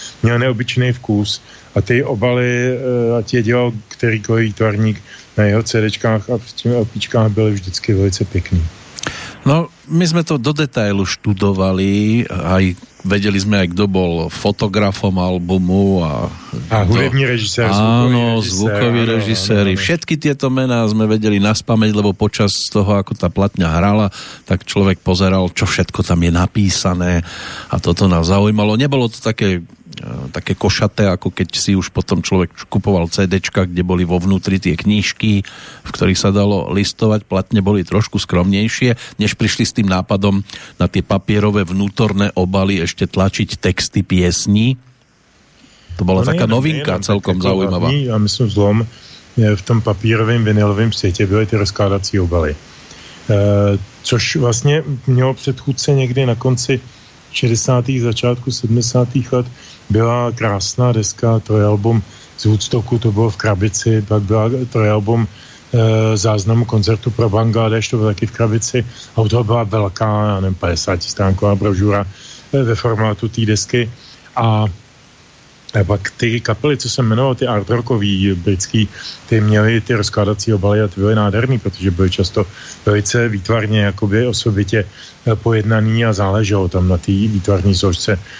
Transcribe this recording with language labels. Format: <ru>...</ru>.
<cs>Měl neobyčejný vkus a ty obaly, ať je dělal kterýkoliv tvarník, na jeho CDčkách a těmi LPčkách byly vždycky velice pěkný.</cs> <sk>No, my jsme to do detailu študovali a vedeli jsme, aj kdo bol fotografom albumu a...</sk> <cs>A hudební režisér, zvukový režisér.</cs> <sk>Áno, zvukový režisér. Všetky tieto mená sme vedeli naspamäť, lebo počas toho, ako tá platňa hrala, tak človek pozeral, čo všetko tam je napísané a toto nás zaujímalo. Nebolo to také košaté, ako keď si už potom človek kupoval CDčka, kde boli vo vnútri tie knižky, v ktorých sa dalo listovať. Platne boli trošku skromnejšie, než prišli s tým nápadom na tie papierové vnútorné obaly ešte tlačiť texty piesní. To bola taká novinka, celkom zaujímavá.</sk> <cs>Ja myslím zlom, v tom papírovém vinylovém světě byly ty rozkládací obaly. Což vlastně mělo předchůdce někdy na konci 60. začátku 70. let byla krásná deska, trojalbum z Woodstocku, to bylo v krabici, pak byla trojalbum záznamu koncertu pro Bangladeš, to bylo taky v krabici, a u toho byla velká, já nevím, 50 stránková brožura ve formátu té desky a pak ty kapely, co se jmenoval, ty art rockový britský, ty měly ty rozkládací obaly a ty byly nádherný, protože byly často velice výtvarně, jakoby osobitě pojednaný a záleželo tam na té výtvarní složce.</cs>